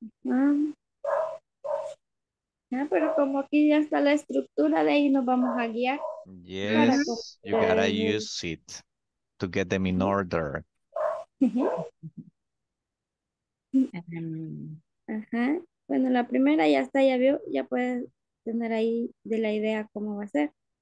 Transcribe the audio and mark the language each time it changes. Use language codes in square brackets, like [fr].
[es] Ah, pero como aquí ya está la estructura de ahí nos vamos a guiar. [en] Yes, you gotta use it to get them in order. [es] Ajá. Bueno, la primera ya está, ya vio, ya puedes tener ahí de la idea cómo va a ser.